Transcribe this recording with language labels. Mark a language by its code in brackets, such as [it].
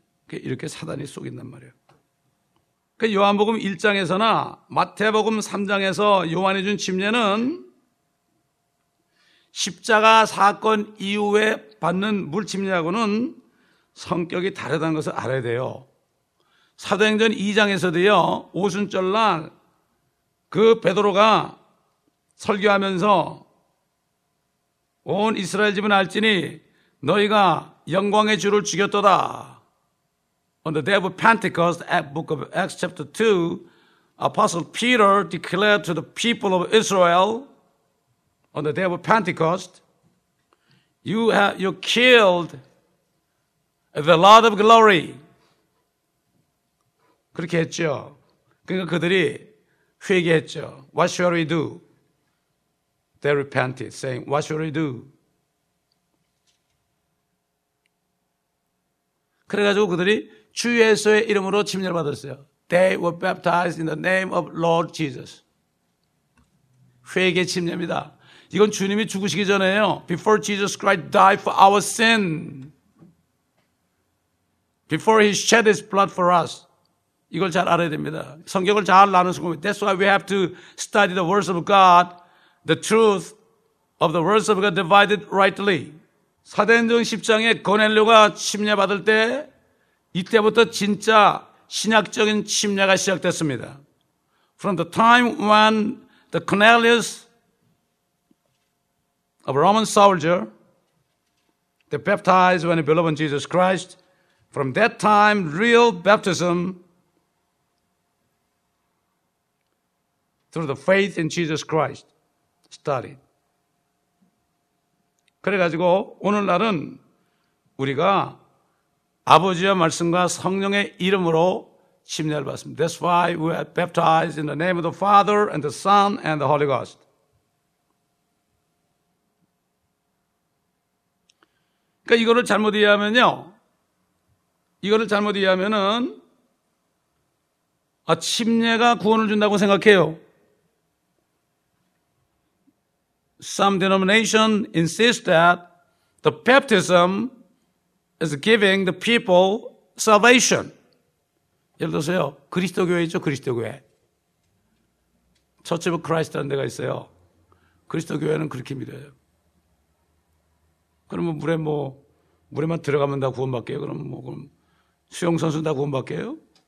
[ko] 이렇게 사단이 속인단 말이에요. 그 요한복음 1장에서나 마태복음 3장에서 요한이 준 침례는 십자가 사건 이후에 받는 물침례하고는 성격이 다르다는 것을 알아야 돼요. 사도행전 2장에서도요 오순절날 그 베드로가 설교하면서 온 이스라엘 집은 알지니 너희가 영광의 주를 죽였도다. [en] On the day of Pentecost, book of Acts chapter 2, Apostle Peter declared to the people of Israel on the day of Pentecost, you killed the Lord of glory. [ko] 그렇게 했죠. 그러니까 그들이 회개했죠. [en] What shall we do? They repented, saying, what shall we do? [ko] 그래가지고 그들이 주 예수의 이름으로 침례를 받았어요. [en] They were baptized in the name of Lord Jesus. [ko] 회개 침례입니다. 이건 주님이 죽으시기 전에요. [en] Before Jesus Christ died for our sin. Before he shed his blood for us. [ko] 이걸 잘 알아야 됩니다. 성경을 잘 아는 순간. [en] That's why we have to study the words of God. The truth of the words of God divided rightly. [ko] 사도행전 10장에 고넬료가 침례 받을 때 이때부터 진짜 신약적인 침례가 시작됐습니다. [en] From the time when the Cornelius, a Roman soldier, they baptized when he believed in Jesus Christ, from that time, real baptism through the faith in Jesus Christ started. [ko] 그래가지고 오늘날은 우리가 아버지의 말씀과 성령의 이름으로 침례를 받습니다. [en] That's why we are baptized in the name of the Father and the Son and the Holy Ghost. [ko] 그러니까 이거를 잘못 이해하면요. 이거를 잘못 이해하면은 아, 침례가 구원을 준다고 생각해요. [en] Some denomination insists that the baptism is giving the people salvation. [ko] 예를 들어서요, 그리스도교회 있죠, 그리스도교회. Church of Christ라는 데가 있어요. 그리스도교회는 그렇게 믿어요. 그러면 물에만 들어가면 다 구원받게요? 그럼 수영선수는 다 구원받게요?